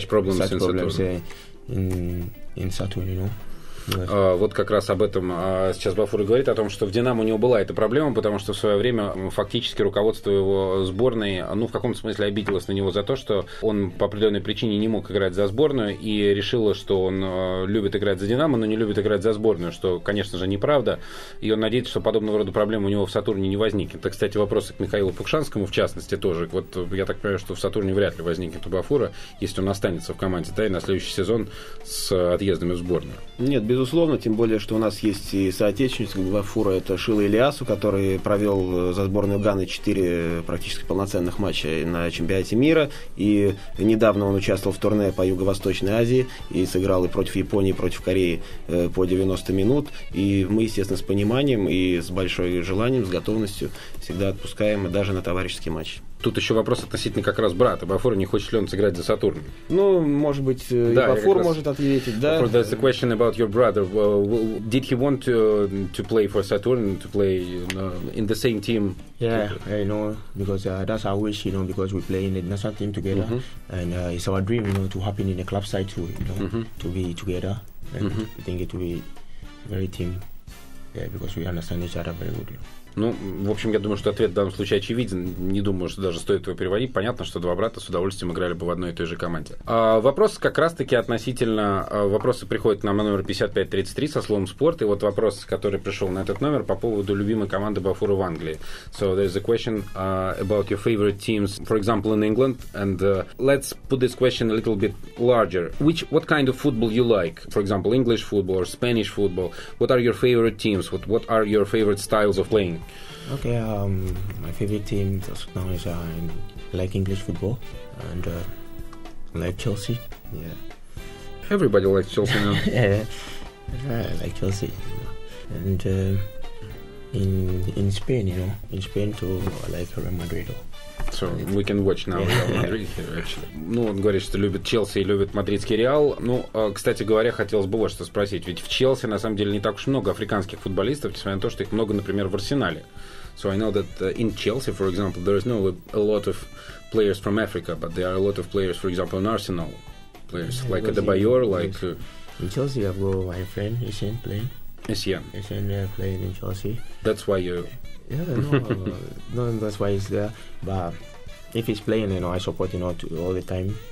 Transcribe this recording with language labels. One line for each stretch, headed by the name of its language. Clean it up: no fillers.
English: You hope you'll not have such problems in Saturn, you know.
Russian: Вот как раз об этом сейчас Бафур говорит, о том, что в «Динамо» у него была эта проблема, потому что в свое время фактически руководство его сборной, ну, в каком-то смысле обиделось на него за то, что он по определенной причине не мог играть за сборную и решило, что он любит играть за «Динамо», но не любит играть за сборную, что, конечно же, неправда. И он надеется, что подобного рода проблемы у него в «Сатурне» не возникнет. Это, кстати, вопрос к Михаилу Пукшанскому, в частности, тоже. Вот я так понимаю, что в «Сатурне» вряд ли возникнет у Бафура, если он останется в команде, да, и на следующий сезон с отъездами в сборную. Нет, безусловно, тем более, что у нас есть и соотечественник Бафура, это Шилы Ильясу, который провел за сборную Ганы 4 практически полноценных матча на чемпионате мира, и недавно он участвовал в турне по Юго-Восточной Азии и сыграл и против Японии, и против Кореи по 90 минут, и мы, естественно, с пониманием и с большим желанием, с готовностью всегда отпускаем даже на товарищеский матч. Тут еще вопрос относительно как раз брата Бафура, не хочет ли он сыграть за Сатурн? Ну, может быть, да, и Бафур может ответить, да.
English: Бафур, that's a question about your brother. Did he want to play for Saturn, to play in the same team? Yeah, I know, because that's our wish, you know, because we play in the national team together, mm-hmm. and it's our dream, you know, to happen in the club side too, you know, mm-hmm. to be together, and mm-hmm. I think it will be very team, yeah, because we understand each other very good, you know.
Russian: Ну, в общем, я думаю, что ответ в данном случае очевиден. Не думаю, что даже стоит его переводить. Понятно, что два брата с удовольствием играли бы в одной и той же команде. Вопрос как раз-таки относительно... Вопросы приходят нам на номер 5533 со словом «спорт». И вот вопрос, который пришел на этот номер по поводу любимой команды Бафура в Англии.
English: So, there's a question about your favorite teams, for example, in England. And let's put this question a little bit larger. What kind of football you like? For example, English football or Spanish football? What are your favorite teams? What are your favorite styles of playing? Okay, my favorite team now is I like English football and like Chelsea. Yeah, everybody likes Chelsea now. Yeah, I like Chelsea. You know. And in Spain, you know, in Spain too, I like Real Madrid. so we can watch now Real Madrid here, actually.
Russian: Ну, он говорит, что любит Челси и любит мадридский Реал. Ну, кстати говоря, хотелось бы вот что спросить. Ведь в Челси, на самом деле, не так уж много африканских футболистов, несмотря на то, что их много, например, в Арсенале.
English: So I know that in Chelsea, for example, there is not a lot of players from Africa, but there are a lot of players, for example, in Arsenal. Players like Adebayor, like... In Chelsea, I've got my friend, Essien, playing. Essien. Essien playing in Chelsea. That's why you... Yeah, no, no, that's why he's there. But if he's playing, you know, I support him all the time.